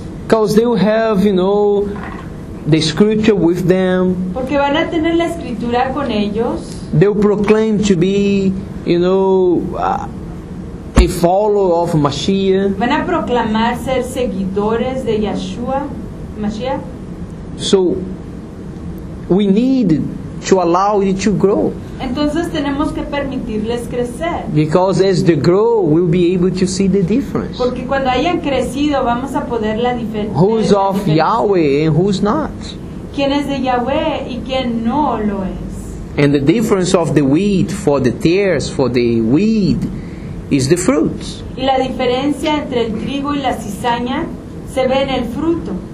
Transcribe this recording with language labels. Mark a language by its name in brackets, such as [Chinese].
[English] Because they will have, you know, the scripture with them. [Spanish] Porque van a tener la escritura con ellos. [English] They will proclaim to be, you know, a follower of Mashiach. [Spanish] Van a proclamar ser seguidores de Yeshua, Mashiach. [English] So we need to allow it to grow. [Spanish] Entonces tenemos que permitirles crecer. [English] Because as they grow, we'll be able to see the difference. [Spanish] Porque cuando hayan crecido, vamos a poder la diferencia. [English] Who's of Yahweh and who's not? [Spanish] ¿Quién es de Yahweh y quién no lo es? [English] And the difference of the wheat for the tares, for the weed, is the fruit. [Spanish] Y la diferencia entre el trigo y la cizaña se ve en el fruto.